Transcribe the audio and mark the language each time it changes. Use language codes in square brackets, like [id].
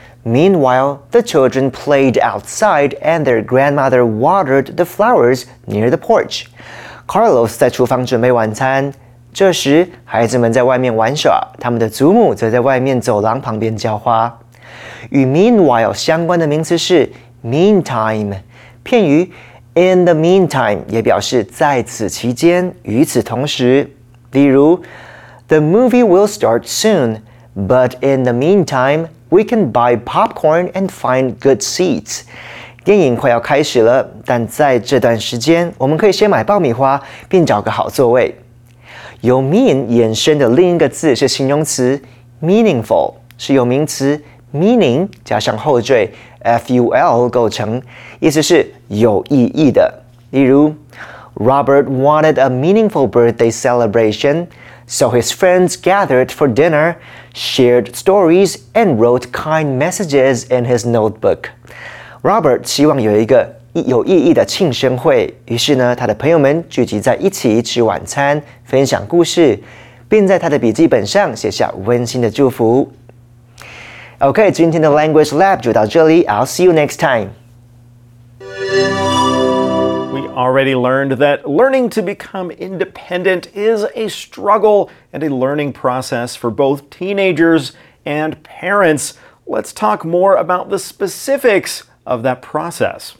[en] Meanwhile, the children played outside and their grandmother watered the flowers near the porch. [zh] Carlos 在厨房准备晚餐，这时孩子们在外面玩耍，他们的祖母则在外面走廊旁边浇花。与 meanwhile 相关的名词是 meantime， 片语。 In the meantime 也表示在此期间，与此同时。例如 [en] The movie will start soon, but in the meantime, we can buy popcorn and find good seats. [zh] 电影快要开始了，但在这段时间，我们可以先买爆米花，并找个好座位。由 mean 衍生的另一个字是形容词 meaningful， 是由名词 meaning 加上后缀F-U-L 构成，意思是有意义的。例如 [en] ，Robert wanted a meaningful birthday celebration, so his friends gathered for dinner, shared stories, and wrote kind messages in his notebook. [zh] Robert 希望有一个有意义的庆生会，于是呢，他的朋友们聚集在一起吃晚餐，分享故事，并在他的笔记本上写下温馨的祝福。 [en] Okay, [zh] 今天的 [en] Language Lab [zh] 就到这里。 [en] I'll see you next time. We already learned that learning to become independent is a struggle and a learning process for both teenagers and parents. Let's talk more about the specifics of that process.